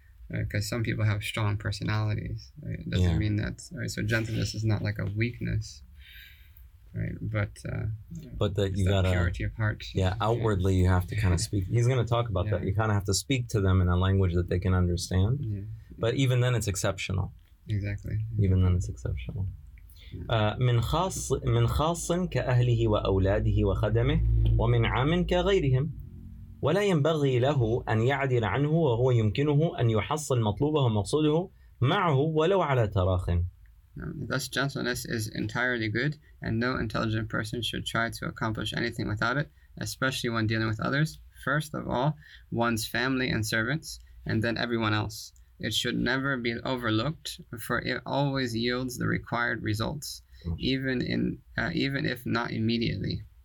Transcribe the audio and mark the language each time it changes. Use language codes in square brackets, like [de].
[en] Because some people have strong personalities. Right? It doesn't yeah. mean that. Right? So gentleness is not like a weakness. Right, but that you got a purity of heart. Yeah, outwardly you have to kind of speak. He's going to talk about that. You kind of have to speak to them in a language that they can understand. Yeah. But even then, it's exceptional. Exactly. Even then, it's exceptional. [ar] من خاص كأهله وأولاده وخدمه ومن عام كغيرهم ولا ينبغي له أن يعدل عنه وهو يمكنه أن يحصل مطلوبه ومقصوده معه ولو على تراخٍ. [en] Thus, gentleness is entirely good, and no intelligent person should try to accomplish anything without it, especially when dealing with others. First of all, one's family and servants, and then everyone else. It should never be overlooked, for it always yields the required results, even if not immediately.